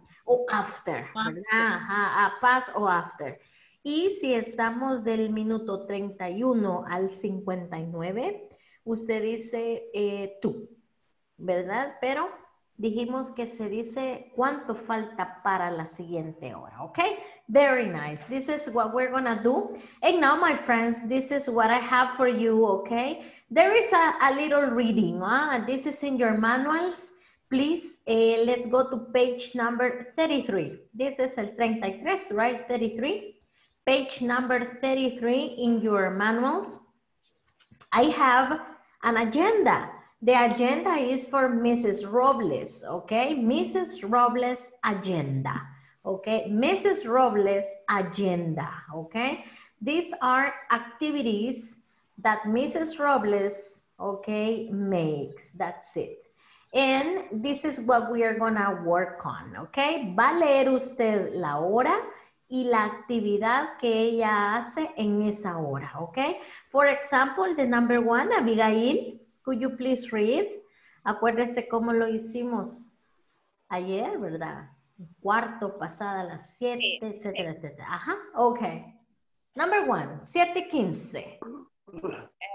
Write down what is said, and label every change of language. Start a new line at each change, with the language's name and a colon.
Spanish: O after, ¿verdad? Ajá, a past o after. Y si estamos del minuto 31 al 59, usted dice tú, ¿verdad? Pero dijimos que se dice cuánto falta para la siguiente hora, ¿ok?
English: Very nice. This is what we're gonna do. And now, my friends, this is what I have for you, okay? There is a little reading. This is in your manuals. Please, let's go to page number 33. This is el 33, right? 33. Page number 33 in your manuals. I have an agenda. The agenda is for Mrs. Robles, okay? Mrs. Robles' agenda, okay? Mrs. Robles' agenda, okay? These are activities that Mrs. Robles, okay, makes. That's it. And this is what we are gonna work on, okay?
Spanish: Va a leer usted la hora y la actividad que ella hace en esa hora, okay?
English: For example, the number one, Abigail, could you please read?
Spanish: Acuérdese cómo lo hicimos ayer, ¿verdad? Cuarto, pasada las 7, etcétera, etcétera. Ajá, okay.
English: Number one, 7:15.